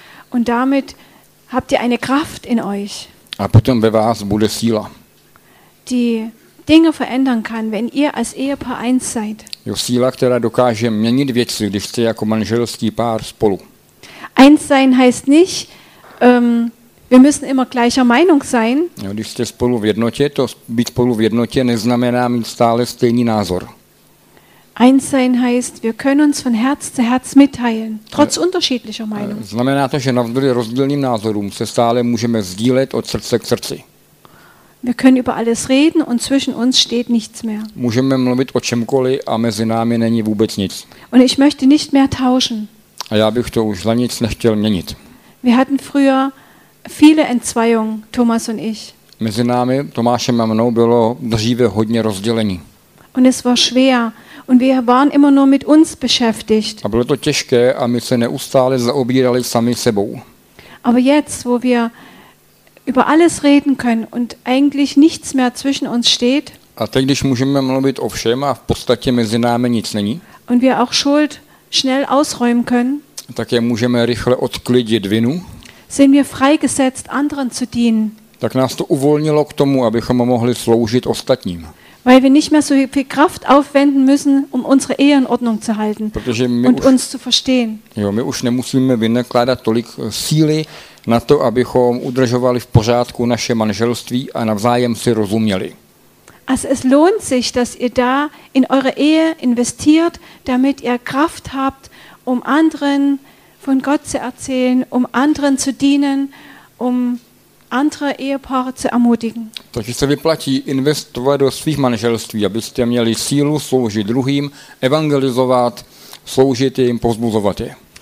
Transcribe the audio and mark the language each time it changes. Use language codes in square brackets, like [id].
[de] Und damit habt ihr eine Kraft in euch. [cs] A potom ve vás bude síla. [de] Die Dinge verändern kann, wenn ihr als Ehepaar eins seid. [cs] Jo, síla, která dokáže měnit věci, když jste jako manželský pár spolu. [de] Eins sein heißt nicht, wir müssen immer gleicher Meinung sein. [cs] Jo, když jste spolu v jednotě, to být spolu v jednotě neznamená mít stále stejný názor. [de] Eins sein heißt, wir können uns von Herz zu Herz mitteilen, trotz unterschiedlicher Meinung. [cs] Znamená to, že navzdory rozdílným názorům se stále můžeme sdílet od srdce k srdci. [de] Wir können über alles reden und zwischen uns steht nichts mehr. [cs] Můžeme mluvit o čemkoliv a mezi námi není vůbec nic. [de] Und ich möchte nicht mehr tauschen. [cs] A já bych to už za nic nechtěl měnit. [de] Wir hatten früher viele Entzweiungen, Thomas und ich. [cs] Mezi námi, Tomášem a mnou, bylo dříve hodně rozdělení. [de] Und es war schwer und wir waren immer nur mit uns beschäftigt. [cs] A bylo to těžké a my se neustále zaobírali sami sebou. [de] Aber jetzt, wo wir über alles reden können und eigentlich nichts mehr zwischen uns steht. [cs] A teď, když můžeme mluvit o všem a v podstatě mezi námi nic není. [de] Und wir auch Schuld schnell ausräumen können. [cs] Tak je můžeme rychle odklidit vinu. [de] Sind wir freigesetzt anderen zu dienen. [cs] Tak nás to uvolnilo k tomu, abychom mohli sloužit ostatním. [de] Weil wir nicht mehr so viel Kraft aufwenden müssen, um unsere Ehe in Ordnung zu halten und uns zu verstehen. [cs] Jo, my už nemusíme vynakládat tolik síly na to, abychom udržovali v pořádku naše manželství a navzájem si rozuměli. [de] Also es lohnt sich, dass ihr da in eure Ehe investiert, damit ihr Kraft habt, um anderen von Gott zu erzählen, um anderen zu dienen, um andere Ehepaare zu ermutigen. [cs] Takže se vyplatí investovat do svých manželství, abyste měli sílu sloužit druhým, evangelizovat, sloužit jim, povzbuzovat je.